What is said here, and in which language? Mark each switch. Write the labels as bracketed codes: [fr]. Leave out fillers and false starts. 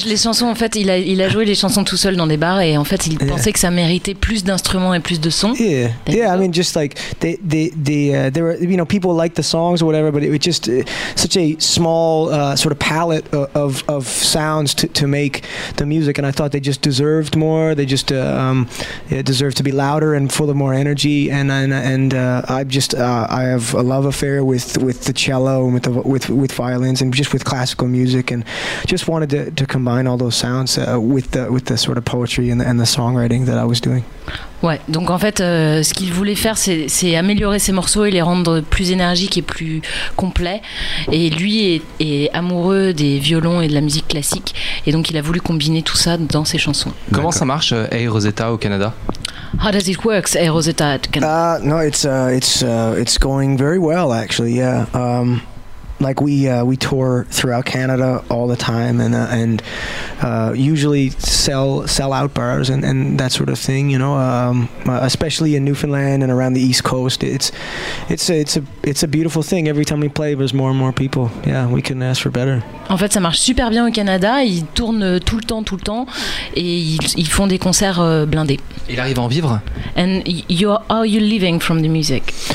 [fr] Les chansons, en fait, il a joué les chansons tout seul dans des bars et en fait, il pensait que ça méritait plus d'instruments et plus de sons. [en] I mean, just like there were, you know, people liked the songs or whatever, but it was just such a small sort of palette of sounds to make the music, and I thought they just deserved more. They just deserved to be louder and full of more energy. And I have a love affair with the cello and with violins and just with classical music, and just wanted to combine all those sounds with the sort of poetry and the songwriting that I was doing. [fr] Ouais, donc en fait, ce qu'il voulait faire, c'est améliorer ses morceaux et les rendre plus énergiques et plus complets. Et lui est amoureux des violons et de la musique classique, et donc il a voulu combiner tout ça dans ses chansons. Comment D'accord. ça marche, Air Rosetta au Canada? [en] How does it work, Air Rosetta at Canada? It's going very well, actually. Like we tour throughout Canada all the time and usually sell out bars and that sort of thing, you know, especially in Newfoundland and around the East Coast. It's a beautiful thing. Every time we play, there's more and more people. Yeah, we couldn't ask for better. [fr] En fait, ça marche super bien au Canada. Ils tournent tout le temps et ils font des concerts blindés. Il arrive à en vivre. [en] And how are you living from the music?